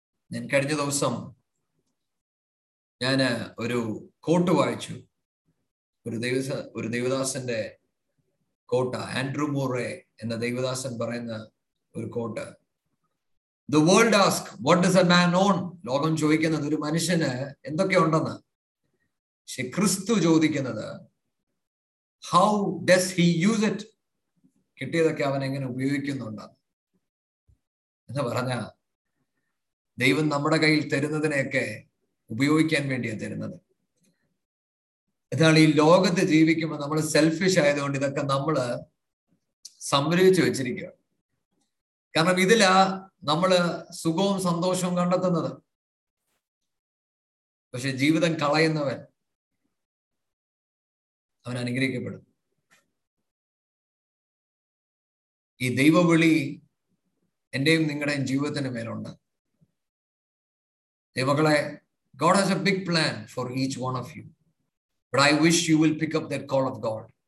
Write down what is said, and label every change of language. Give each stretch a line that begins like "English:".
Malayalam: ഞാൻ കഴിഞ്ഞ ദിവസം ഞാന് ഒരു കോട്ട് വായിച്ചു, ഒരു ദൈവദാസന്റെ കോട്ട ആൻഡ്രൂ മൂറേ എന്ന ദൈവദാസൻ പറയുന്ന ഒരു കോട്ട.
English: The world ask, what does a man own?
Malayalam: ലോകം ചോദിക്കുന്നത് ഒരു മനുഷ്യന് എന്തൊക്കെ ഉണ്ടെന്ന്. പക്ഷെ ക്രിസ്തു ചോദിക്കുന്നത്
English: how does he use it,
Malayalam: കിട്ടിയതൊക്കെ അവൻ എങ്ങനെ ഉപയോഗിക്കുന്നുണ്ടെന്ന്. എന്ന് പറഞ്ഞ ദൈവം നമ്മുടെ കയ്യിൽ തരുന്നതിനെയൊക്കെ ഉപയോഗിക്കാൻ വേണ്ടിയാണ് തരുന്നത്. ഇതാണ് ഈ ലോകത്ത് ജീവിക്കുമ്പോൾ നമ്മൾ സെൽഫിഷ് ആയതുകൊണ്ട് ഇതൊക്കെ നമ്മൾ സംഗ്രഹിച്ചു വെച്ചിരിക്കുക. കാരണം ഇതിലാ നമ്മൾ സുഖവും സന്തോഷവും കണ്ടെത്തുന്നത്. പക്ഷെ ജീവിതം കളയുന്നവൻ അവൻ അനുഗ്രഹിക്കപ്പെടും. ഈ ദൈവവിളി എന്റെയും നിങ്ങളുടെയും ജീവിതത്തിന് മേലുണ്ട്. ദൈവങ്ങളെ,
English: God has a big plan for each one of you. But I wish you will pick up that call of God.